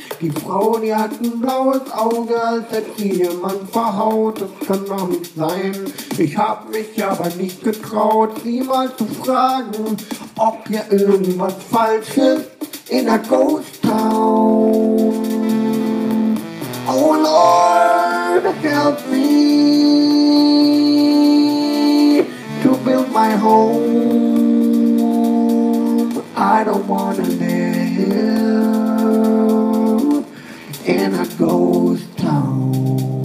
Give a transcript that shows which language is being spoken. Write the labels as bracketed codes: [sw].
[de] Die Frau, die hat ein blaues Auge, als hätte sie jemand verhaut. Das kann doch nicht sein. Ich hab mich aber nicht getraut, sie mal zu fragen, ob hier irgendwas falsch ist in der Ghost Town. [en] Oh Lord, help me to build my home. I don't wanna live in a ghost town.